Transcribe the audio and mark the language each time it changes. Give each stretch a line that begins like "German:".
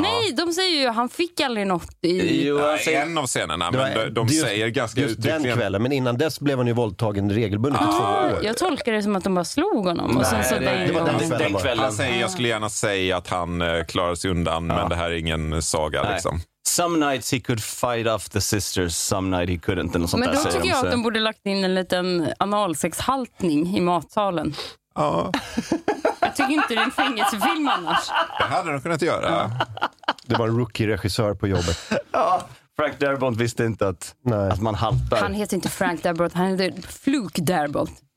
Swedish: Nej, de säger ju att han fick aldrig något i... Jo, en av scenerna, men de säger just, ganska just uttryckligen... den kvällen, men innan dess blev han ju våldtagen regelbundet i 2 år. Jag tolkar det som att de bara slog honom. Och sen så den kvällen. Han säger, jag skulle gärna säga att han klarar sig undan, men det här är ingen saga. Liksom.
English: Some nights he could fight off the sisters, some night he couldn't.
Swedish: Eller sånt men där, då tycker jag att de borde lagt in en liten analsexhaltning i matsalen. Ja... Jag tycker inte det är en fängelsefilm annars. Det hade de kunnat göra. Det var en rookie-regissör på jobbet. Ja, Frank Darabont visste inte att man haltar. Han heter inte Frank Darabont, han heter Fluke Darabont.